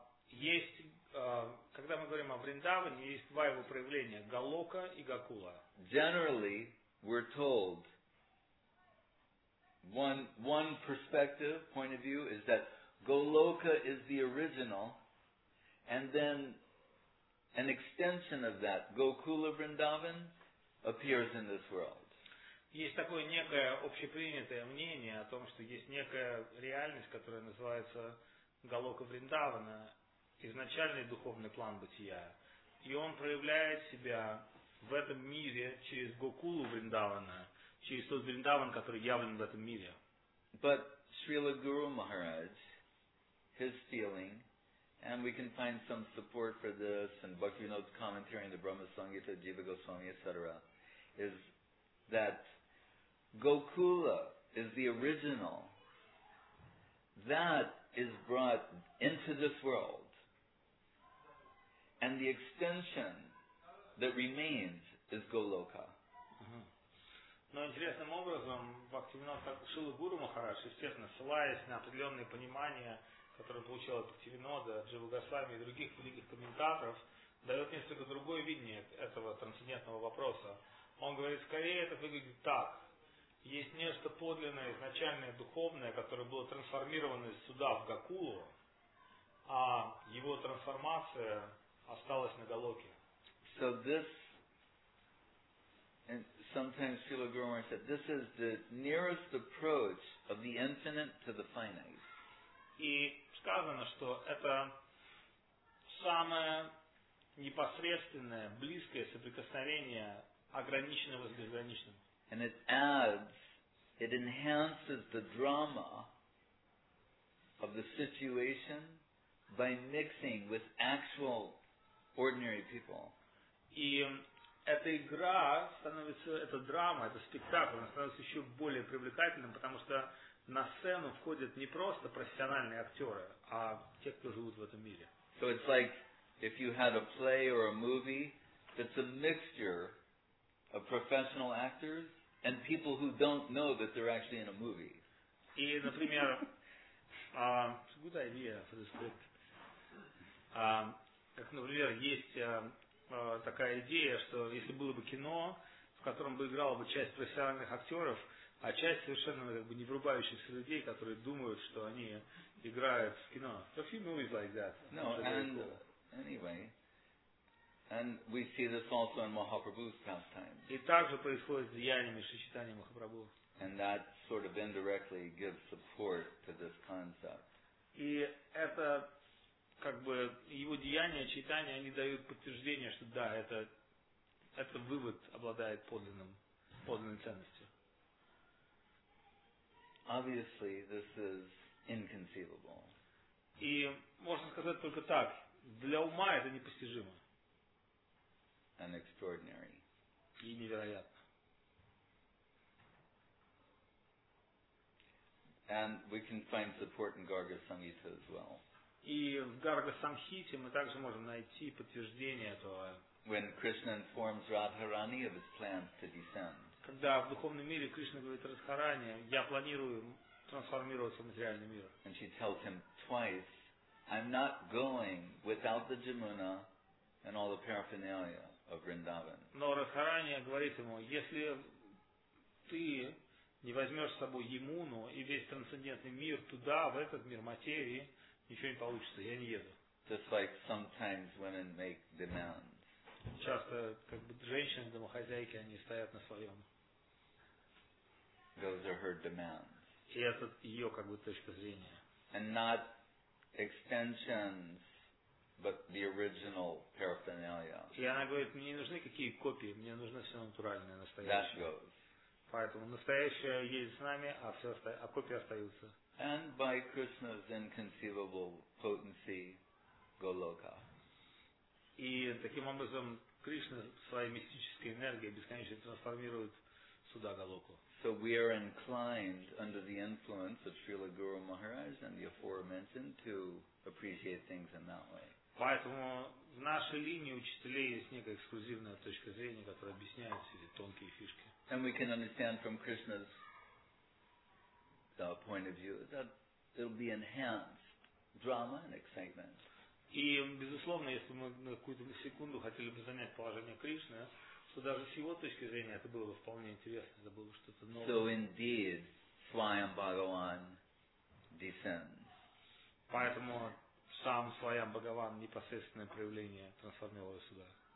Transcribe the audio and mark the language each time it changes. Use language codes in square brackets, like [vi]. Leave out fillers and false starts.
[ru] Есть, когда мы говорим о Вриндаване, есть два его проявления, Галока и Гакула. [en] Generally, we're told, one perspective, point of view, is that Goloka is the original, and then an extension of that, Gokula Vrindavan, appears in this world. [ru] Есть такое некое общепринятое мнение о том, что есть некая реальность, которая называется Галока Вриндавана, изначальный духовный план бытия, и он проявляет себя в этом мире через Гокулу Вриндавана, через тот Вриндаван, который явлен в этом мире. [en] But Srila Guru Maharaj, his feeling And we can find some support for this in Bhaktivinoda's commentary in the Brahma Sangita, Jiva Goswami, etc., is that Gokula is the original. That is brought into this world. And the extension that remains is Goloka. [ru] Но интересным образом Бхактивинода Шрила Гуру Махарадж, естественно, ссылаясь на определенные понимания, которые получил от Бхактивинода, от Джива Госвами и других великих комментаторов, дает несколько другое видение этого трансцендентного вопроса. Он говорит, скорее это выглядит так. Есть нечто подлинное, изначальное, духовное, которое было трансформировано сюда, в Гокулу, а его трансформация осталась на Голоке. [en] So this... And sometimes Srila Guru Maharaj said, this is the nearest approach of the infinite to the finite. [ru] И сказано, что это самое непосредственное, близкое соприкосновение ограниченного с безграничным. [en] And it adds, it enhances the drama of the situation by mixing with actual ordinary people. [ru] И эта игра становится, эта драма, этот спектакль, она становится еще более привлекательным, потому что на сцену входят не просто профессиональные актеры, а те, кто живут в этом мире. [en] So it's like if you had a play or a movie that's a mixture of professional actors and people who don't know that they're actually in a movie. [ru] И, например, [en] it's a good idea for this script. [ru] Как, например, есть такая идея, что если было бы кино, в котором бы играла бы часть профессиональных актеров, а часть совершенно как бы не врубающихся людей, которые думают, что они играют в кино. [en] A few movies like that. No, and anyway, and we see this also in Mahaprabhu's pastimes. [ru] И также происходит деяниями Шри Чайтаньи Махапрабху. [en] And that sort of indirectly gives support to this concept. [ru] И это как бы его деяния, читания, они дают подтверждение, что да, это вывод обладает подлинной ценностью. [en] Obviously, this is inconceivable. [ru] И можно сказать только так, для ума это непостижимо. [en] And extraordinary. [ru] И невероятно. [en] And we can find support in Garga Sangita as well. [ru] И в Гарга-самхите мы также можем найти подтверждение этого. [en] When Krishna informs Radharani of his plans to descend. [ru] Когда в духовном мире Кришна говорит Радхарани, я планирую трансформироваться в материальный мир. [en] And she tells him twice, I'm not going without the Jamuna and all the paraphernalia of Vrindavan. [ru] Но Радхарани говорит ему, если ты не возьмешь с собой Ямуну и весь трансцендентный мир туда, в этот мир материи, ничего не получится, я не еду. [en] Just like sometimes women make demands. [ru] Часто как бы женщины, домохозяйки, они стоят на своем. [en] Those are her demands. [ru] И это ее как бы точка зрения. [en] And not extensions, but the original paraphernalia. [ru] И она говорит, мне не нужны какие копии, мне нужно все натуральное, настоящее. [en] That goes. [ru] Поэтому настоящее едет с нами, а копии остаются. [en] And by Krishna's inconceivable potency, Goloka. [ru] И таким образом Кришна своей мистической энергией бесконечно трансформирует сюда Голоку. [en] So we are inclined, under the influence of Srila Guru Maharaj and the aforementioned, to appreciate things in that way. [ru] Поэтому в нашей линии учителей есть некая эксклюзивная точка зрения, которая объясняет все эти тонкие фишки. [en] And we can understand from Krishna's point of view that it'll be enhanced drama and excitement. [ru] И безусловно, если мы на какую-то секунду хотели бы занять положение Кришны, то даже с его точки зрения это было бы вполне интересно, это было бы что-то новое. [en] So indeed, Swayam Bhagavan descends. [ru] Поэтому сам Swayam Bhagavan непосредственное проявление трансформировалось сюда.